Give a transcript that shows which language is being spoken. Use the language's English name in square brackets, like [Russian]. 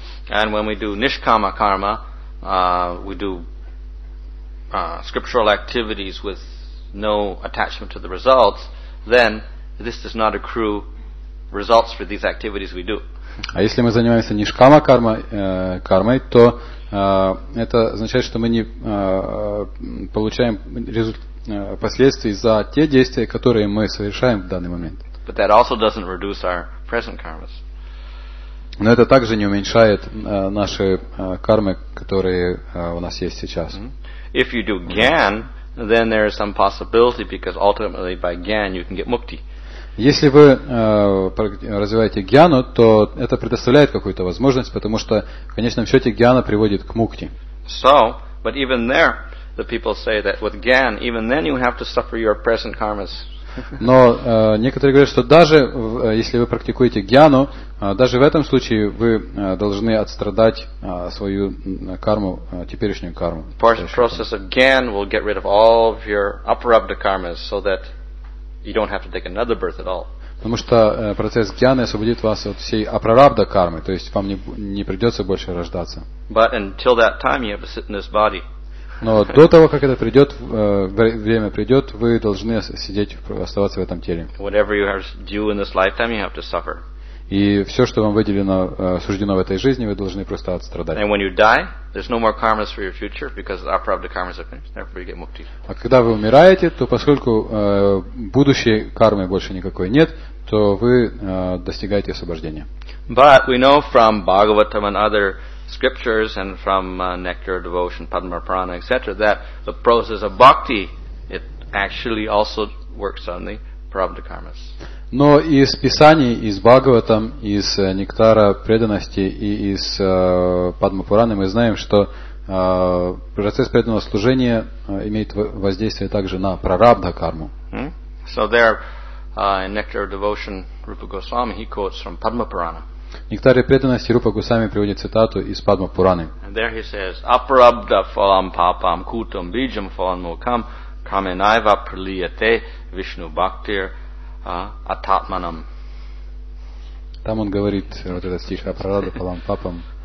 [English] And when we do nishkama karma, we do scriptural activities with no attachment to the results, then this does not accrue results for these activities we do. [Russian] А если мы занимаемся нишкама кармой, то это означает, что мы не получаем последствий за те действия, которые мы совершаем в данный момент. [English] But that also doesn't reduce our present karmas. [Russian] Но это также не уменьшает наши кармы, которые у нас есть сейчас. [English] If you do gyan, then there is some possibility because ultimately by gyan you can get mukti. [Russian] Если вы развиваете гьяну, то это предоставляет какую-то возможность, потому что в конечном счете гьяна приводит к мукти. [English] So, but even there, the people say that with gyan, even then you have to suffer your present karmas. [Russian] Но некоторые говорят, что даже если вы практикуете гьяну, даже в этом случае вы должны отстрадать свою карму, теперешнюю карму. [English] Process of gyan will get rid of all of your uprabdha karmas, so that you don't have to take another birth at all. [Russian] Потому что процесс гьяны освободит вас от всей апрарабдха кармы, то есть вам не придется больше рождаться. [English] But until that time, you have to sit in this body. [Russian] Но до того, как это придет, время придет, вы должны сидеть, оставаться в этом теле. [English] Whatever you have to do in this lifetime, you have to suffer. [Russian] И все, что вам выделено, суждено в этой жизни, вы должны просто отстрадать. [English] And when you die, there's no more karmas for your future because the apravda karmas are finished. Therefore, you get mukti. [Russian] А когда вы умираете, то поскольку будущей кармы больше никакой нет, то вы достигаете освобождения. [English] But we know from Bhagavatam and other scriptures and from nectar devotion, Padma Purana, etc., that the process of bhakti it actually also works on the apravda karmas. [Russian] Но из Писаний, из Бхагаватам, из Нектара преданности и из Падмапураны мы знаем, что процесс преданного служения имеет воздействие также на прарабдха карму. [English] So there, in Nectar of Devotion, Rupa Goswami, he quotes from Padmapurana. [Russian] В Нектаре преданности Рупа Гусами приводит цитату из Падмапураны. [English] And there he says, [Sanskrit] Апарабдха фалам папам кутам биджам фалам мукам каменайва прилияте вишну бхактир. Ататманам. [Russian] Там он говорит вот этот стих о [Sanskrit] прараду палам папам.